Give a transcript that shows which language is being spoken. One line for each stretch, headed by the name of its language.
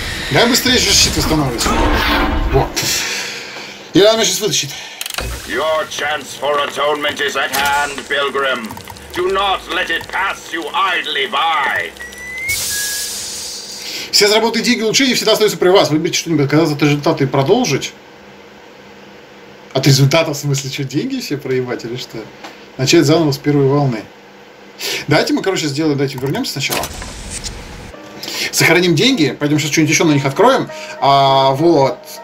Russian: Давай быстрее же щит восстанавливаться. Вот. И она меня сейчас вытащит.
English: Your chance for atonement is at hand, Pilgrim. Do not let it pass you idly by.
Russian: Все заработанные деньги и улучшения всегда остаются при вас. Выберите что-нибудь, отказаться от результата и продолжить. От результата, в смысле, что, деньги все проебать или что? Начать заново с первой волны. Давайте мы, короче, сделаем, давайте вернемся сначала. Сохраним деньги, пойдем сейчас что-нибудь еще на них откроем. А, вот.